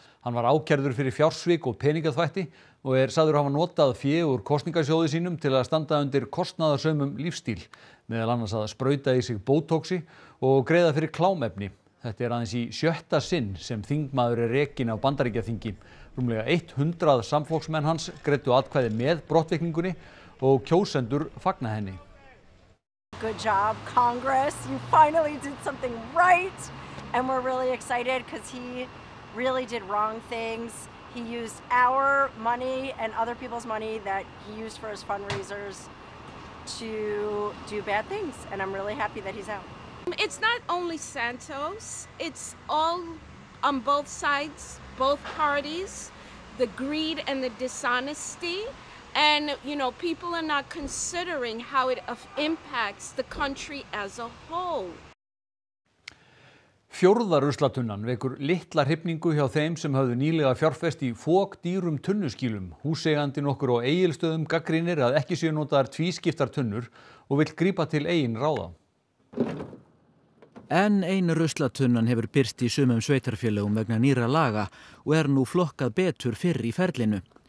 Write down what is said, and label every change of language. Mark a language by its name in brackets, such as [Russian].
[Icelandic] Hann var ákærður fyrir fjársvik og peningaþvætti og sagður hafa notað fé úr kosningasjóði sínum til að standa undir kostnaðarsömum lífstíl, meðal annars að sprauta í sig bótóksi og greiða fyrir klámefni. Þetta aðeins í sjötta sinn sem þingmaður rekin á Bandaríkjaþingi. Rúmlega 100 samflokksmenn hans greiddu atkvæði með brottvikningunni og kjósendur fagna henni. [English] Good job, Congress. You finally did something right. And we're really excited because he really did wrong things. He used our money and other people's money that he used for his fundraisers to do bad things. And I'm really happy that he's out. It's not only Santos, it's all on both sides, both parties, the greed and the dishonesty, and you know, people are not considering how it impacts the country as a whole. [Icelandic] Fjórða ruslatunnan vekur litla hrifningu hjá þeim sem höfðu nýlega fjárfest í fokdýrum tunnuskýlum. Húseigandi nokkur á Egilsstöðum gagnrýnir að ekki séu notaðar tvískiptar tunnur og vill grípa til eigin ráða. Enn ein ruslatunnan hefur birst í sumum sveitarfélögum vegna nýra laga og nú flokkað betur fyrr í ferlinu.